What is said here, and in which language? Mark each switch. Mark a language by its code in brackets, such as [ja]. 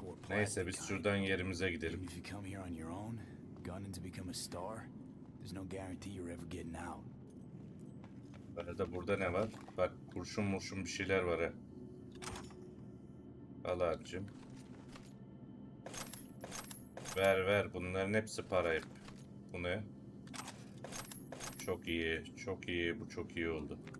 [tr] Neyse, biz şuradan yerimize gidelim. [en] If you come here on your own, gunning to become a star, there's no guarantee you're ever getting out. [tr] Arada burada ne var? Bak, kurşun murşun bir şeyler var ha. Al abicim. Ver ver, bunların hepsi para hep. Bu ne? Çok iyi, çok iyi, bu çok iyi oldu.